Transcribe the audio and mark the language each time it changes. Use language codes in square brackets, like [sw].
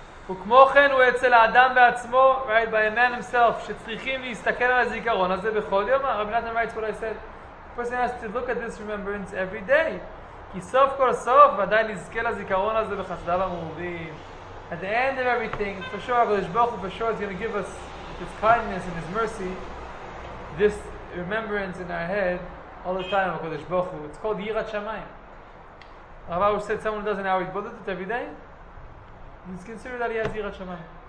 [he] וכמו כן הוא אצל האדם בעצמו, [en] right, by a man himself, [he] שצריכים להסתכל על הזיכרון הזה בכל יום. [en] רבי נתן writes what I said. The person has to look at this remembrance every day. [he] כי סוף כל סוף, ועדיין נזכה לזיכרון הזה בחסדיו המרובים. [en] At the end of everything, for sure, HaKadosh Baruch Hu, for sure, is going to give us his kindness and his mercy, this remembrance in our head, all the time, HaKadosh Baruch Hu. It's called Yirat Shamayim. Rav Aru said someone does an hour, he bothered it every day. He's considered that he has Yirat Shamayim.